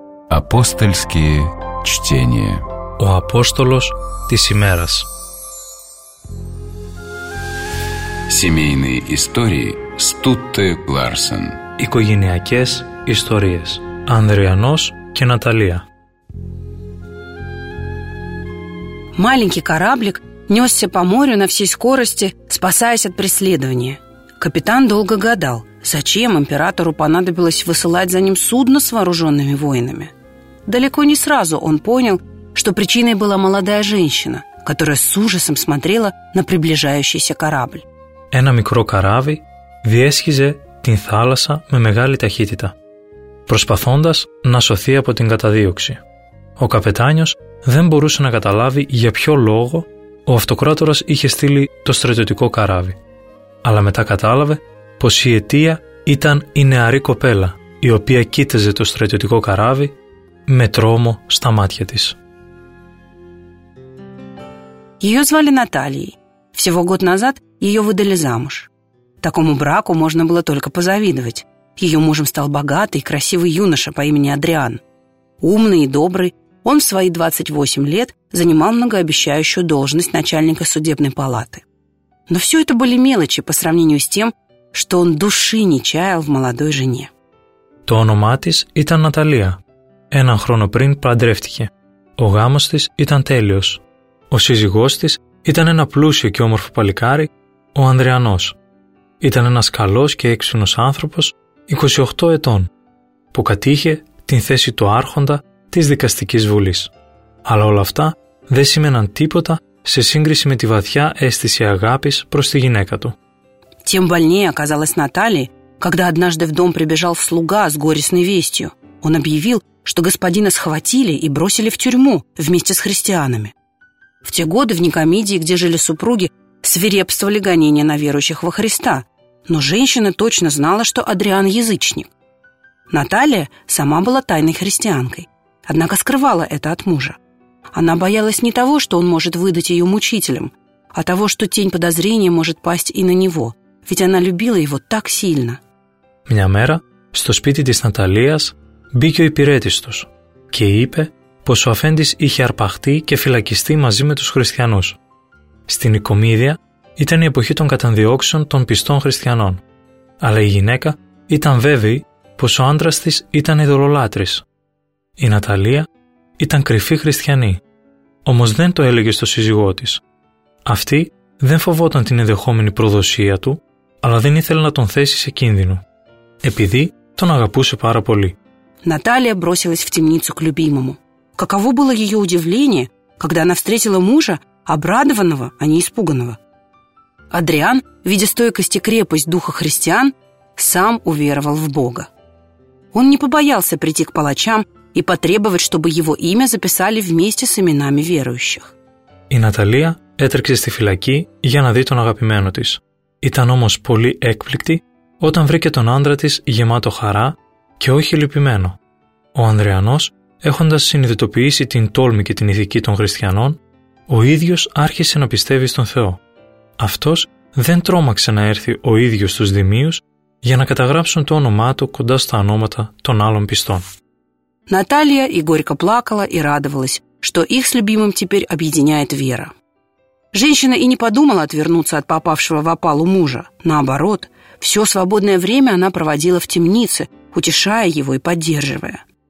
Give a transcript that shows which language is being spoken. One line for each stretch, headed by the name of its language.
Russian: Апостольские чтения.
Greek: О апостолос тис имерас.
Russian: Семейные истории Стутте Ларсен.
Greek: Οικογενειακές ιστορίες. Ανδριανός και Наталία.
Russian: Маленький кораблик несся по морю на всей скорости, спасаясь от преследования. Капитан долго гадал, зачем императору понадобилось высылать за ним судно с вооруженными воинами. Далеко не сразу он понял, что причиной была молодая женщина, которая с ужасом смотрела на приближающийся корабль.
Greek: Ένα μικρό καράβι διέσχιζε την θάλασσα με μεγάλη ταχύτητα, προσπαθώντας να σωθεί από την καταδίωξη. Ο καπετάνιος δεν μπορούσε να καταλάβει για ποιο λόγο ο αυτοκράτορας είχε στείλει το στρατιωτικό καράβι. Αλλά μετά κατάλαβε πως η αιτία ήταν η νεαρή κοπέλα, η οποία κοίταζε το στρατιωτικό καράβι με τρόμο στα μάτια της.
Russian: Ее звали Натальей. Всего год назад ее выдали замуж. Такому браку можно было только позавидовать. Ее мужем стал богатый и красивый юноша по имени Адриан. Умный и добрый, он в свои 28 лет занимал многообещающую должность начальника судебной палаты. Но все это были мелочи по сравнению с тем, что он души не чаял в молодой жене.
Greek: То όνομά της ήταν Наталия. Έναν χρόνο πριν παντρεύτηκε. Ο γάμος της ήταν τέλειος. Ο σύζυγός της ήταν ένα πλούσιο και όμορφο παλικάρι, ο Ανδριανός. Ήταν ένας καλός και έξυπνος άνθρωπος, 28 ετών, που κατήχε την θέση του άρχοντα της δικαστικής βουλής. Αλλά όλα αυτά δεν σημαίναν τίποτα σε σύγκριση με τη βαθιά αίσθηση αγάπης προς τη γυναίκα του.
Russian: Тем больнее оказалась Наталья, когда однажды в дом прибежал слуга с горестной вестью. Он объявил, что господина схватили и бросили в тюрьму вместе с христианами. В те годы в Никомидии, где жили супруги, свирепствовали гонения на верующих во Христа, но женщина точно знала, что Адриан язычник. Наталья сама была тайной христианкой, однако скрывала это от мужа. Она боялась не того, что он может выдать ее мучителям, а того, что тень подозрения может пасть и на него, ведь она любила его так сильно.
Greek: Меня мера, что спите здесь Наталиас, μπήκε ο υπηρέτης τους και είπε πως ο αφέντης είχε αρπαχτεί και φυλακιστεί μαζί με τους χριστιανούς. Στην Οικομίδια ήταν η εποχή των καταδιώξεων των πιστών χριστιανών, αλλά η γυναίκα ήταν βέβαιη πως ο άντρας της ήταν ειδωλολάτρης. Η Ναταλία ήταν κρυφή χριστιανή, όμως δεν το έλεγε στο σύζυγό της. Αυτή δεν φοβόταν την ενδεχόμενη προδοσία του, αλλά δεν ήθελε να τον θέσει σε κίνδυνο, επειδή τον αγαπούσε πάρα πολύ.
Russian: Наталья бросилась в темницу к любимому. Каково было ее удивление, когда она встретила мужа, обрадованного, а не испуганного. Адриан, видя стойкость и крепость духа христиан, сам уверовал в Бога. Он не побоялся прийти к палачам и потребовать, чтобы его имя записали вместе с именами верующих.
Greek: И Наталья έτρεξε στη φυλακή για να δει τον αγαπημένο της. Ήταν όμως πολύ έκπληκτη όταν βρήκε τον άντρα της γεμάτο χαρά και όχι λυπημένο. Ο Ανδριανός, έχοντας συνειδητοποιήσει την τόλμη και την ηθική των χριστιανών, ο ίδιος άρχισε να πιστεύει στον Θεό. Αυτός δεν τρόμαξε να έρθει ο ίδιος στους δημίους για να καταγράψουν το όνομά του κοντά στα ονόματα των άλλων πιστών.
Russian: Наталья и горько плакала и радовалась, что их с любимым теперь объединяет вера. Женщина и не подумала отвернуться от попавшего в опалу мужа. Наоборот, все свободное время она проводила в темнице, утешая его и поддерживая.